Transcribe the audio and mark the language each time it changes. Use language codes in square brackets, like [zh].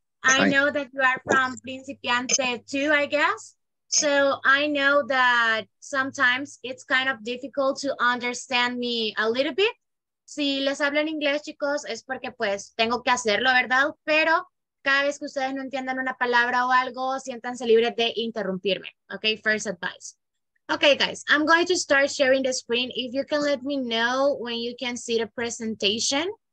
[en] I know that you are from Principiante too, I guess. So I know that sometimes it's kind of difficult to understand me a little bit. [es] Si les hablo en inglés, chicos, es porque pues tengo que hacerlo, ¿verdad? Pero cada vez que ustedes no entiendan una palabra o algo, siéntanse libres de interrumpirme. [en] Okay, first advice. Okay, guys, I'm going to start sharing the screen. If you can let me know when you can see the presentation.